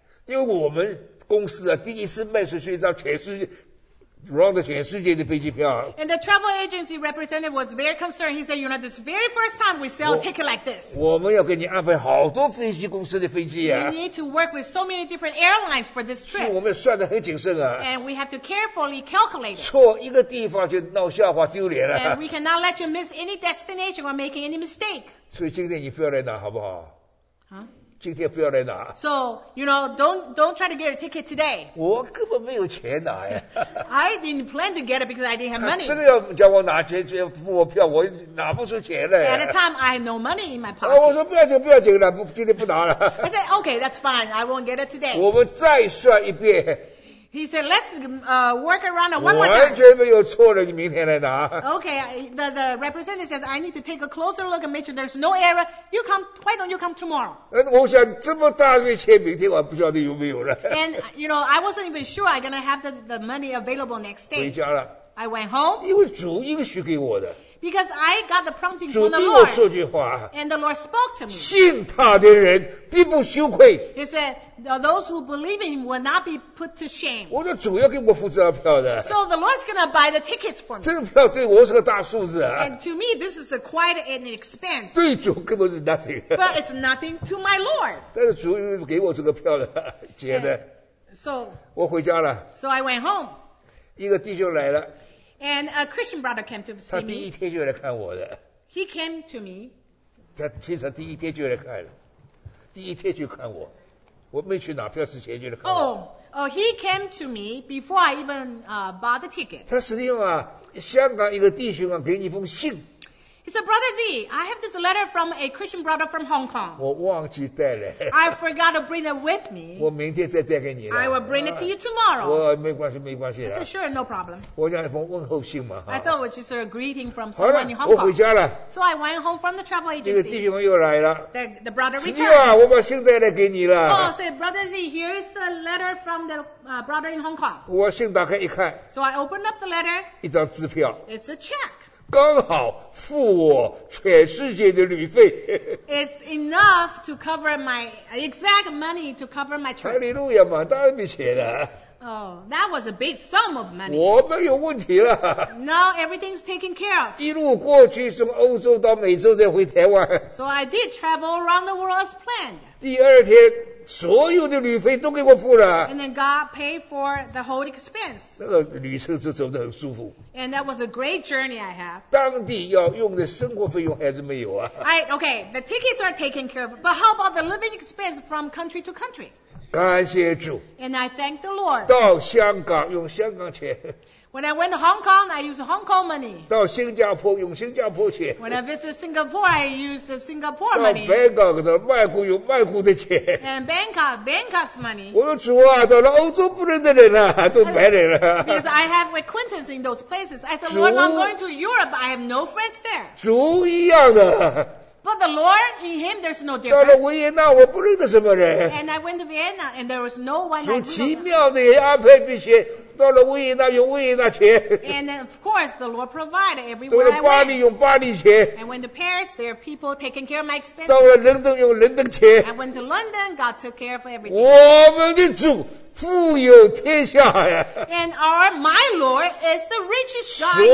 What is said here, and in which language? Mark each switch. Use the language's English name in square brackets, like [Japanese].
[Chinese] 因为我们公司啊，第一次卖出去一张全世界Around 全世界的飞机票。 [English] And the travel agency representative was very concerned. He said, you know, this very first time we sell a ticket like this. [Chinese] 我们要给你安排好多飞机公司的飞机啊。 [English] We need to work with so many different airlines for this trip. [Chinese] 是我们算得很谨慎啊。 [English] And we have to carefully calculate it. [Chinese] 错一个地方就闹笑话丢脸了。 [English] And we cannot let you miss any destination or making any mistake. [Chinese] 所以今天你不要来拿好不好？今天不要来拿。 [English] So, you know, don't try to get a ticket today. [Chinese] 我根本没有钱拿呀。 [English] I didn't plan to get it because I didn't have money. [Chinese] 这个要叫我拿钱去付我票，我拿不出钱来。 [English] At the time, I had no money in my pocket. [Chinese] 我说不要紧，不要紧了，今天不拿了。 [English] I said, okay, that's fine. I won't get it today. [Chinese] 我们再算一遍。 [English] He said, let's work around it one more time. [Chinese] 完全没有错的，你明天来拿。 [English] Okay, the representative says, I need to take a closer look and make sure there's no error. You come, why don't you come tomorrow? [Chinese] 我想这么大的钱，明天我不知道你有没有了。 [English] And, you know, I wasn't even sure I'm going to have the money available next day. [Chinese] 回家了。 [English] I went home. [Chinese] 因为主应许给我的。 [English] Because I got the prompting from the Lord. [Chinese] 主对我说句话。 [English] And the Lord spoke to me. [Chinese] 信他的人必不羞愧。 [English] He said,Those who believe in him will not be put to shame. [Chinese] 我的主要给我付这张票的。 [English] So the Lord's gonna buy the tickets for me. [Chinese] 这张票对我是个大数字啊。 [English] And to me, this is quite an expense. [Chinese] 对主根本是 nothing. [English] But it's nothing to my Lord. [Chinese] 但是主给我这个票的，觉得。 [English] And, So, [Chinese] 我回家了。 [English] So I went home. [Chinese] 一个弟兄来了。 [English] And a Christian brother came to see me. [Chinese] 他第一天就来看我的。 [English] He came to me. [Chinese] 他其实第一天就来看了，第一天就看我，我没去拿票之前就来看我。 [English] Oh, he came to me before I even bought the ticket. [Chinese] 他实际上啊，香港一个弟兄啊，给你一封信。 [English] He said, Brother Z, I have this letter from a Christian brother from Hong Kong. [Chinese] 我忘记带了。 [English] I forgot to bring it with me. [Chinese] 我明天再带给你了。 [English] I will bring it to you tomorrow. [Chinese] 我没关系，没关系。 [English] He said, Sure, no problem. [Chinese] 我想一封问候信嘛。 [English] I thought it was just a greeting from someone in Hong Kong. [Chinese] 我回家了。 [English] So I went home from the travel agency. [Chinese] 这个弟兄又来了。 [English] The brother returned. [Chinese] 是啊，我把信带来给你了。 [English] Oh, said, Brother Z, here is the letter from the brother in Hong Kong. [Chinese] 我信打开一看。 [English] So I opened up the letter. [Chinese] 一张支票。 [English] It's a check. [Chinese] 刚好付我全世界的旅费。 [English] It's enough to cover my exact money to cover my trip. [Chinese] 哈利路亚，蛮大笔钱的。 [English] Oh, that was a big sum of money. [Chinese] 我没有问题了。 [English] Now everything's taken care of. [Chinese] 一路过去，从欧洲到美洲，再回台湾。 [English] So I did travel around the world as planned. [Chinese] 第二天，所有的旅费都给我付了。 [English] And then God paid for the whole expense. [Chinese] 那个旅程就走得很舒服。 [English] And that was a great journey I have. [Chinese] 当地要用的生活费用还是没有啊。 [English] Okay, the tickets are taken care of, but how about the living expense from country to country? [Chinese] 感谢主。 [English] And I thank the Lord. [Chinese] 到香港用香港钱。 [English] When I went to Hong Kong, I used Hong Kong money. [Chinese] 到新加坡用新加坡钱。 [English] When I visited Singapore, I used the Singapore money. [Chinese] 到 Bangkok 的曼谷用曼谷的钱。 [English] And Bangkok, Bangkok's money. [Chinese] 我的主啊，到了欧洲不认得人了、啊，都白人了。 [English] Because I have acquaintance in those places. I said, Lord, I'm going to Europe, I have no friends there. [Chinese] 主一样的。 [English] But the Lord, in him, there's no difference. [Chinese] 到了维也纳，我不认得什么人。 [English] And I went to Vienna, and there was no one I knew. [Chinese] 主奇妙地安排这些，到了维也纳用维也纳钱。 [English] And of course, the Lord provided everywhere I went. [Chinese] 到了巴黎用巴黎钱。 [English] And went to Paris, there are people taking care of my expenses. [Chinese] 到了伦敦用伦敦钱。 [English] I went to London, God took care of everything. [Chinese] 我们的主富有天下呀。 [English] And our, my Lord is the richest God in the